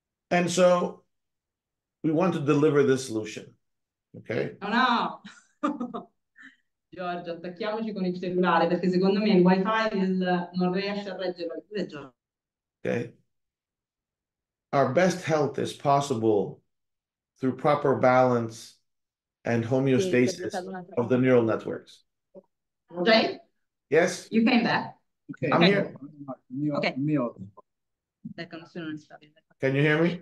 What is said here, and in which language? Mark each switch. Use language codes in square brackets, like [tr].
[en] And so we want to deliver this solution. Okay. Oh no. [it] Giorgio, attacchiamoci con il cellulare perché secondo me il wifi non riesce a reggere. [en] Okay. Our best health is possible through proper balance and homeostasis of the neural networks. Jay? Yes? You came back. Okay. I'm here. Okay. Can you hear me?